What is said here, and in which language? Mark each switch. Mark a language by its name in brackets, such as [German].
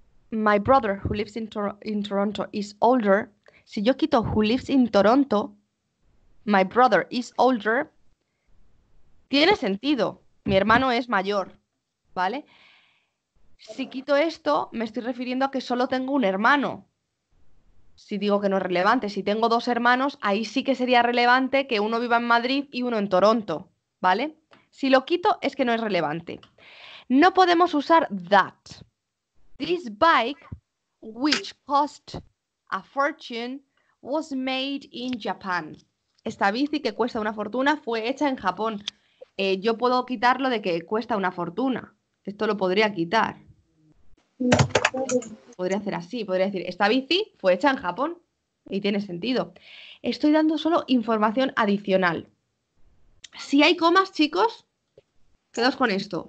[English] My brother who lives in Toronto is older. [Spanish] Si yo quito [English] who lives in Toronto, my brother is older. [Spanish] Tiene sentido. Mi hermano es mayor, ¿vale? Si quito esto, me estoy refiriendo a que solo tengo un hermano. Si digo que no es relevante, si tengo dos hermanos, ahí sí que sería relevante que uno viva en Madrid y uno en Toronto, ¿vale? Si lo quito, es que no es relevante. No podemos usar that. [English] This bike, which cost a fortune, was made in Japan. [Spanish] Esta bici que cuesta una fortuna fue hecha en Japón. Yo puedo quitarlo de que cuesta una fortuna. Esto lo podría quitar. Podría hacer así, podría decir, esta bici fue hecha en Japón y tiene sentido. Estoy dando solo información adicional. Si hay comas, chicos, quedaos con esto.